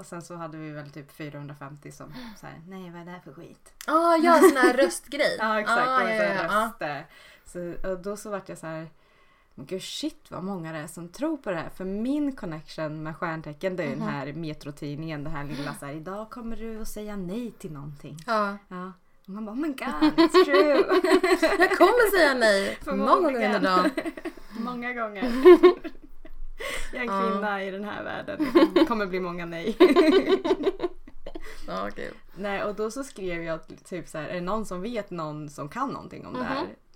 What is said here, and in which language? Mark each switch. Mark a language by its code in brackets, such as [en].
[sv] Och sen så hade vi väl typ 450 som så här, nej, vad är det här för skit? Oh, ja, sån här röstgrej. Ja, exakt. Oh, och, yeah, så här, röst, yeah. Så, och då så vart jag så här, gud, shit vad många det är som tror på det här. För min connection med stjärntecken, det är ju den här metrotidningen, det här lilla så här, idag kommer du att säga nej till någonting. Ja. Ja. Och man bara, [en] oh my god, it's true. [sv] Jag kommer säga nej. För många gånger under dagen. Många gånger. Jag är en kvinna i den här världen. Det kommer bli många nej. Ja, okay. Nej, och då så skrev jag typ så här, är det någon som vet någon som kan någonting om det här?